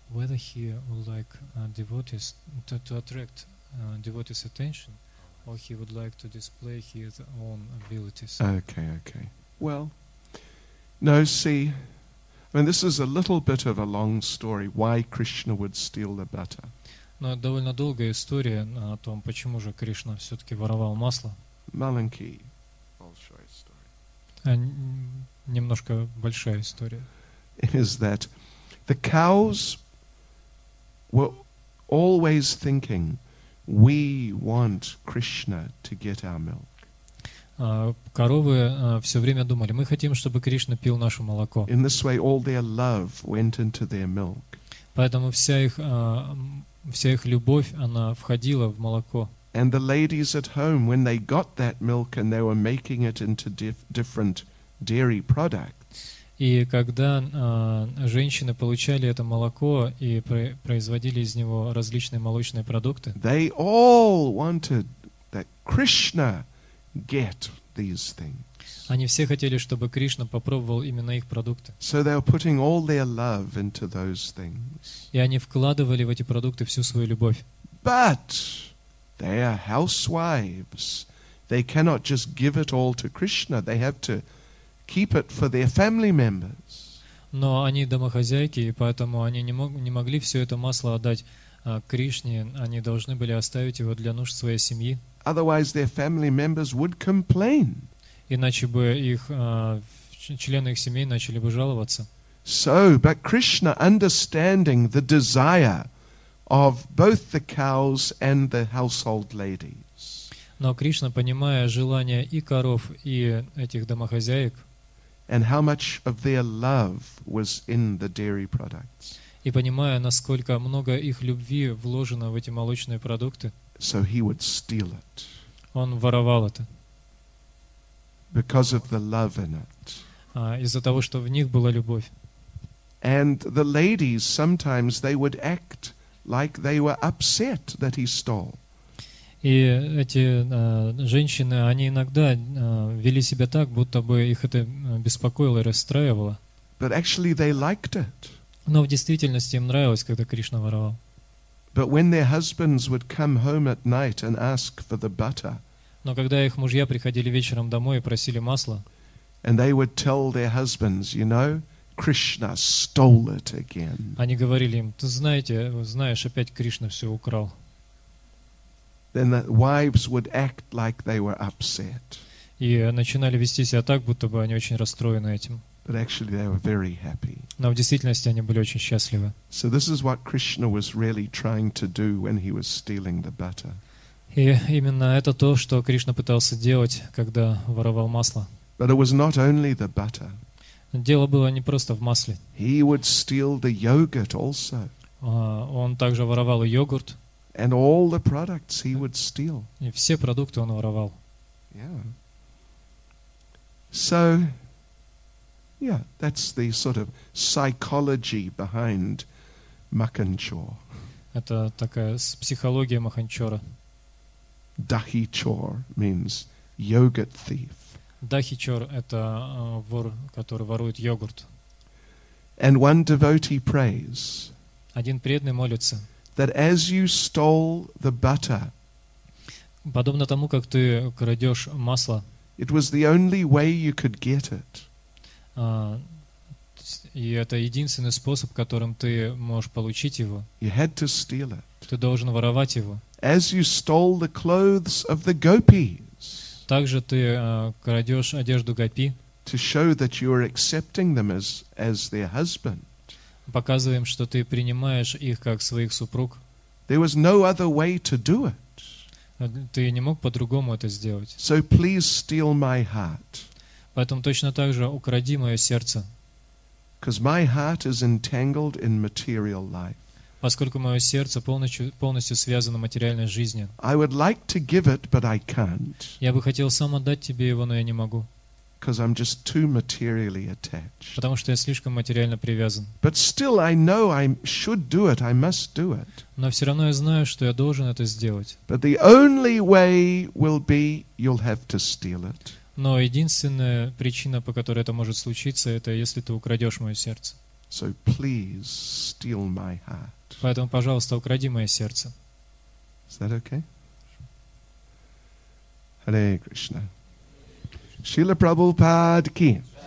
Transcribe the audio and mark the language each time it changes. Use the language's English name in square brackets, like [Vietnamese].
[English] Whether he would like devotees to attract devotees' attention, or he would like to display his own abilities. Okay. Well, no, see, I mean, this is a little bit of a long story, why Krishna would steal the butter. [Russian] Но это довольно долгая история о том, почему же Кришна все-таки воровал масло. Маленький, [English] I'll show you story. [Russian] Немножко большая история. [English] It is that the cows were always thinking, we want Krishna to get our milk. [Russian] Коровы все время думали, мы хотим, чтобы Кришна пил наше молоко. [English] In this way, all their love went into their milk. [Russian] Поэтому вся их любовь, она входила в молоко. [English] And the ladies at home, when they got that milk and they were making it into different dairy products. [Russian] И когда женщины получали это молоко и производили из него различные молочные продукты, [English] they all wanted that Krishna get these things. [Russian] Они все хотели, чтобы Кришна попробовал именно их продукты. [English] So they were putting all their love into those things. [Russian] И они вкладывали в эти продукты всю свою любовь. [English] But they are housewives. They cannot just give it all to Krishna. They have to keep it for their family members. [Russian] Но они домохозяйки, и поэтому они не могли все это масло отдать Кришне. Они должны были оставить его для нужд своей семьи. [English] Otherwise their family members would complain. [Russian] Иначе бы их члены их семей начали бы жаловаться. [English] So, but Krishna, understanding the desire of both the cows and the household ladies. [Russian] Но Кришна, понимая желание и коров, и этих домохозяек, [English] and how much of their love was in the dairy products. [Russian] И понимая, насколько много их любви вложено в эти молочные продукты, [English] so he would steal it. [Russian] Он воровал это. [English] Because of the love in it. [Russian] Из-за того, что в них была любовь. [English] And the ladies sometimes they would act like they were upset that he stole. [Russian] И эти женщины, они иногда вели себя так, будто бы их это беспокоило и расстраивало. [English] But actually they liked it. [Russian] Но в действительности им нравилось, когда Кришна воровал. [English] But when their husbands would come home at night and ask for the butter. [Russian] Но когда их мужья приходили вечером домой и просили масла, [English] and they would tell their husbands, you know, Krishna stole it again. [Russian] Они говорили им, ты знаете, знаешь, опять Кришна все украл. [English] Then the wives would act like they were upset. [Russian] И начинали вести себя так, будто бы они очень расстроены этим. [English] But actually they were very happy. [Russian] Но в действительности они были очень счастливы. [English] So this is what Krishna was really trying to do when he was stealing the butter. [Russian] И именно это то, что Кришна пытался делать, когда воровал масло. [English] But it was not only the butter. [Russian] Дело было не просто в масле. [English] He would steal the yogurt also. [Russian] Он также воровал и йогурт. [English] And all the products he would steal. [Russian] И все продукты он воровал. [English] Yeah. So, yeah, that's the sort of psychology behind Makanchor. [Russian] Это такая психология Маханчора. [English] Dahichor means yogurt thief. [Russian] Dahichor это вор, который ворует йогурт. [English] And one devotee prays. [Russian] Один преданный молится. [English] That as you stole the butter. [Russian] Подобно тому, как ты крадешь масло. [English] It was the only way you could get it. [Russian] И это единственный способ, которым ты можешь получить его. [English] You had to steal it. [Russian] Ты должен воровать его. [English] As you stole the clothes of the gopis. [Russian] Также ты крадешь одежду гопи. [English] To show that you are accepting them as their husband. [Russian] Показываем, что ты принимаешь их как своих супруг. [English] There was no other way to do it. [Russian] Ты не мог по-другому это сделать. [English] So please steal my heart. [Russian] Поэтому точно так же укради мое сердце. [English] Because my heart is entangled in material life. [Russian] Поскольку мое сердце полностью связано материальной жизнью. [English] I would like to give it, but I can't. [Russian] Я бы хотел сам отдать тебе его, но я не могу. [English] because I'm just too materially attached. [Russian] Потому что я слишком материально привязан. [English] But still I know I should do it, I must do it. [Russian] Но все равно я знаю, что я должен это сделать. [English] But the only way will be you'll have to steal it. [Russian] Но единственная причина, по которой это может случиться, это если ты украдешь мое сердце. [English] So please steal my heart. [Russian] Поэтому, пожалуйста, укради мое сердце. [English] Is that okay? [Russian] Hare Krishna. Шрила Прабхупада ки.